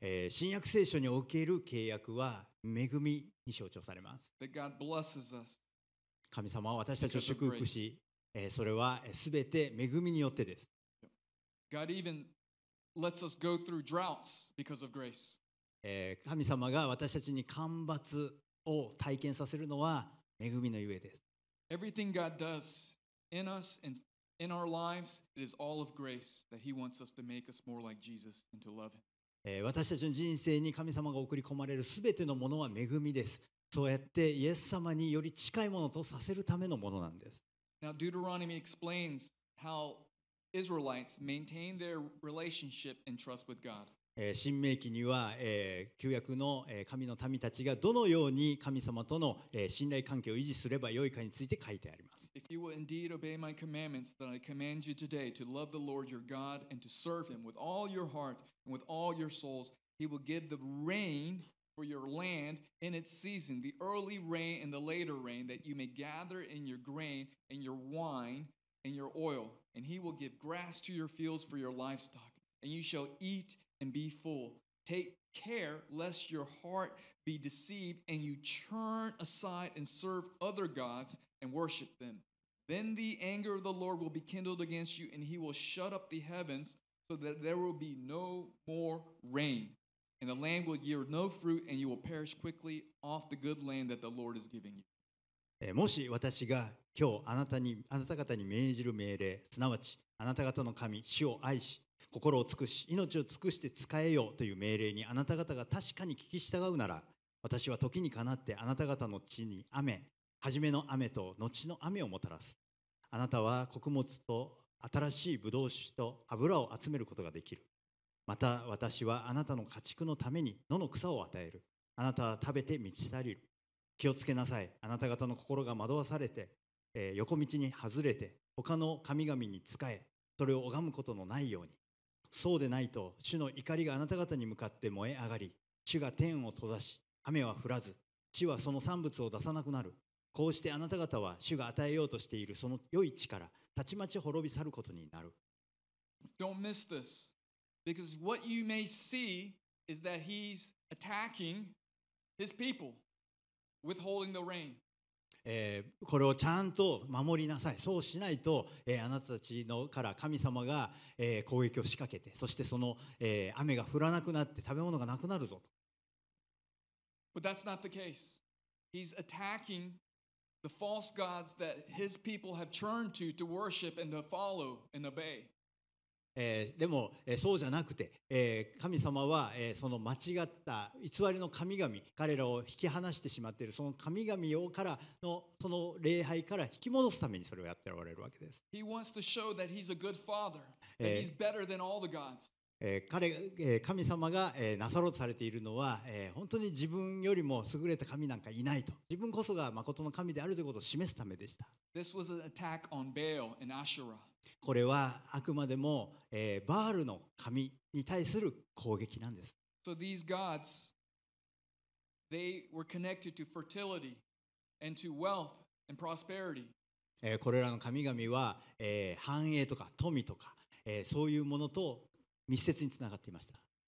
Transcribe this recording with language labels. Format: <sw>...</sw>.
<ja>新約聖書における契約は恵みに象徴されます。</ja> <en>That God blesses us.</en> <ja>神様は私たちを祝福し、それはすべて恵みによってです。</ja> <en>God even lets us go through droughts because of grace.</en> <ja>神様が私たちに干ばつを体験させるのは恵みのゆえです。</ja> <en>Everything God does in us andIn our lives, it is all of grace that He wants us to make us more like Jesus and to love Him.</en> <ja>私たちの人生に神様が送り込まれるすべてのものは恵みです。そうやってイエス様により近いものとさせるためのものなんです。</ja> <en>Now Deuteronomy explains how Israelites maintain their relationship and trust with God.</en> <ja>新命記には、旧約の、神の民たちがどのように神様との、信頼関係を維持すればよいかについて書いてあります。</ja> <en>If you will indeed obey my commandments, then I command you today to love the Lord your God and to serve him with all your heart and with all your souls. He will give the rain for your land in its season, the early rain and the later rain, that you may gather in your grain and your wine and your oil. And he will give grass to your fields for your livestock, and you shall eat and be full. Take care lest your heart be deceived and you turn aside and serve other gods. And worship them. Then the anger of the Lord will be kindled against you, and he will shut up the heavens so that there will be no more rain, and the land will yield no fruit, and you will perish quickly off the good land that the Lord is giving you.</en> <ja>もし私が今日あなた方に命じる命令、すなわちあなた方の神、主を愛し、心を尽くし、命を尽くして仕えよという命令にあなた方が確かに聞き従うなら、私は時にかなってあなた方の地に雨、はじめの雨と後の雨をもたらす。あなたは穀物と新しいブドウ酒と油を集めることができる。また私はあなたの家畜のために野の草を与える。あなたは食べて満ち足りる。気をつけなさい。あなた方の心が惑わされて、横道に外れて他の神々に仕え、それを拝むことのないように。そうでないと主の怒りがあなた方に向かって燃え上がり、主が天を閉ざし雨は降らず、地はその産物を出さなくなる。こうしてあなた方は主が与えようとしているその良い地からたちまち滅び去ることになる。</ja> <en>Don't miss this, because what you may see is that he's attacking his people, withholding the rain.</en> <ja>これをちゃんと守りなさい、そうしないと、あなたたちのから神様が、攻撃を仕掛けて、そしてその、雨が降らなくなって食べ物がなくなるぞと。</ja> <en>But that's not the case. He's attacking the false gods that his people have turned to worship and to follow and obey.</en> <ja>でも、そうじゃなくて、神様は、その間違った偽りの神々、彼らを引き離してしまっているその神々をからのその礼拝から引き戻すためにそれをやっておられるわけです。</ja> <en>He wants to show that he's a good father, that he's better than all the gods.</en> <ja>神様が、なさろうとされているのは、本当に自分よりも優れた神なんかいないと、自分こそが誠の神であるということを示すためでした。</ja> <en>This was an attack on Baal and Asherah.</en> <ja>これはあくまでも、バールの神に対する攻撃なんです。</ja> <en>So these gods, they were connected to fertility and to wealth and prosperity.</en> <ja>これらの神々は、繁栄とか富とか、そういうものと密接につながっていました。</ja>